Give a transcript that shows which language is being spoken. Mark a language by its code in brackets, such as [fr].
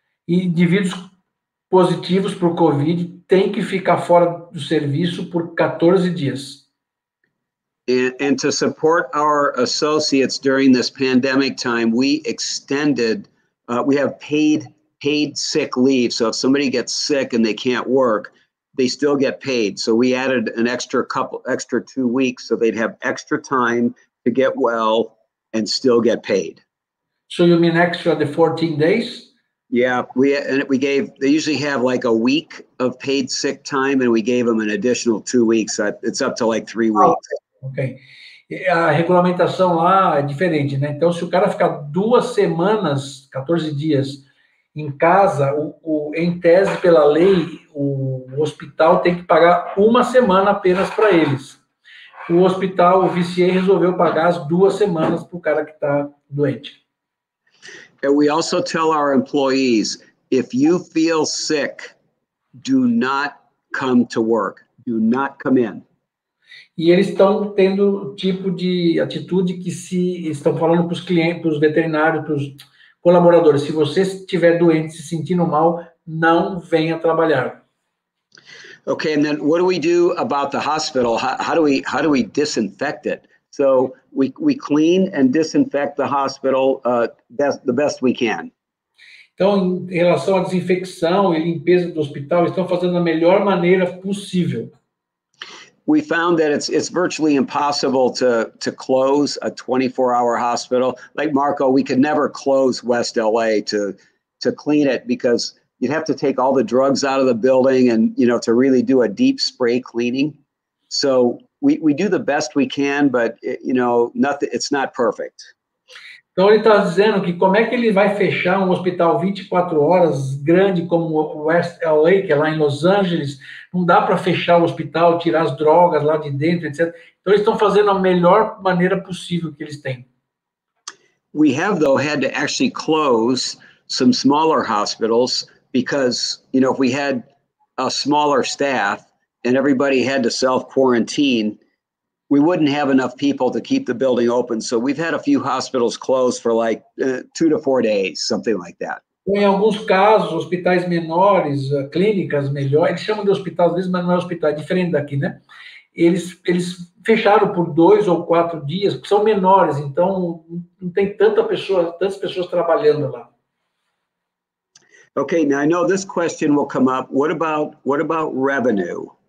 [pt] E indivíduos positivos para o COVID tem que ficar fora do serviço por 14 dias. [en] And to support our associates during this pandemic time, we extended, we have paid sick leave. So if somebody gets sick and they can't work, they still get paid. So we added an extra 2 weeks so they'd have extra time to get well and still get paid. So you mean extra the 14 days? Yeah, they usually have like a week of paid sick time and we gave them an additional 2 weeks. It's up to like 3 weeks. [pt] Oh. Ok. A regulamentação lá é diferente, né? Então, se o cara ficar 2 semanas, 14 dias, em casa, em tese, pela lei, o hospital tem que pagar 1 semana apenas para eles. o hospital, o VCA, resolveu pagar as duas semanas para o cara que está doente. [en] And we also tell our employees, if you feel sick, do not come to work. Do not come in. [pt] E eles estão tendo o tipo de atitude que se estão falando para os clientes, para os veterinários, para os colaboradores. Se você estiver doente, se sentindo mal, não venha trabalhar. [en] Okay, and then what do we do about the hospital? How do we disinfect it? So we clean and disinfect the hospital the best we can. [pt] Então, em relação à desinfecção e limpeza do hospital, estão fazendo da melhor maneira possível. [en] We found that it's virtually impossible to close a 24-hour hospital. Like Marco, we could never close West LA to clean it because you'd have to take all the drugs out of the building and, you know, to really do a deep spray cleaning. So we do the best we can, but, it, you know, nothing, it's not perfect. [pt] Então ele está dizendo que como é que ele vai fechar um hospital 24 horas grande como o West LA, que é lá em Los Angeles, não dá para fechar o hospital, tirar as drogas lá de dentro, etc. Então eles estão fazendo a melhor maneira possível que eles têm. [en] We have, though, had to actually close some smaller hospitals because, you know, if we had a smaller staff and everybody had to self-quarantine, we wouldn't have enough people to keep the building open. So we've had a few hospitals closed for like 2 to 4 days, something like that. [pt] Em alguns casos, hospitais menores, clínicas melhores, eles chamam de hospital, às vezes, mas não é hospital, é diferente daqui, né? Eles fecharam por 2 ou 4 dias, porque são menores, então não tem tantas pessoas trabalhando lá. [en] Okay, now I know this question will come up. What about revenue?